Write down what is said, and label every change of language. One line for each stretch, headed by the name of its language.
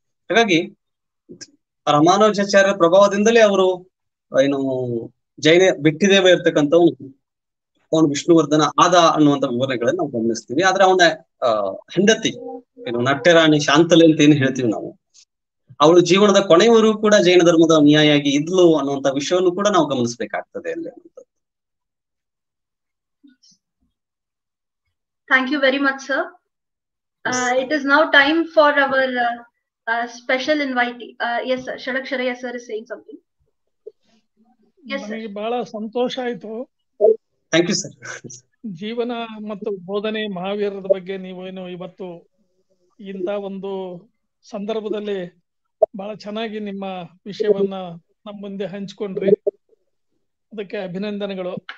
Kannada: ಹಾಗಾಗಿ ರಾಮಾನುಜಾಚಾರ್ಯ ಪ್ರಭಾವದಿಂದಲೇ ಅವರು ಏನು ಜೈನ ಬಿಟ್ಟಿದೇವ ಇರ್ತಕ್ಕಂಥವನು ವಿಷ್ಣುವರ್ಧನ ಆದ ಅನ್ನುವಂಥ ವಿವರಣೆಗಳನ್ನ ನಾವು ಗಮನಿಸ್ತೀವಿ. ಆದ್ರೆ ಅವನ ಹೆಂಡತಿ ಏನು ನಟ್ಯರಾಣಿ ಶಾಂತಲೆ ಅಂತ ಏನು ಹೇಳ್ತೀವಿ ನಾವು, ಅವಳು ಜೀವನದ ಕೊನೆಯವರೂ ಕೂಡ ಜೈನ ಧರ್ಮದ ಅನುಯಾಯಿಯಾಗಿ ಇದ್ಲು ಅನ್ನುವಂಥ ವಿಷಯವನ್ನು ಕೂಡ ನಾವು ಗಮನಿಸ್ಬೇಕಾಗ್ತದೆ ಅಲ್ಲಿ.
English: Thank you very much, sir. It is now time for our special invitee. Yes, sir. Shadaksharaya sir is saying something. Yes, sir.
Kannada: Bala santosha ito.
English: Thank you, sir.
Kannada: ಜೀವನ ಮತ್ತು ಬೋಧನೆ ಮಹಾವೀರದ ಬಗ್ಗೆ ನೀವು ಏನು ಇವತ್ತು ಇಂತ ಒಂದು ಸಂದರ್ಭದಲ್ಲಿ ಬಹಳ ಚೆನ್ನಾಗಿ ನಿಮ್ಮ ವಿಷಯವನ್ನ ನಮ್ಮ ಮುಂದೆ ಹಂಚಿಕೊಂಡ್ರಿ, ಅದಕ್ಕೆ ಅಭಿನಂದನೆಗಳು.